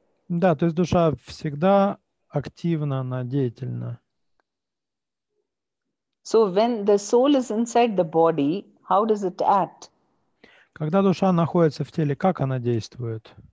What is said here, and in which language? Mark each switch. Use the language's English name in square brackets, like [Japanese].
[Russian] Да, то есть душа всегда активна, она деятельна. [English] So when the soul is inside the body, how does it act? [Russian] Когда душа находится в теле, как она действует?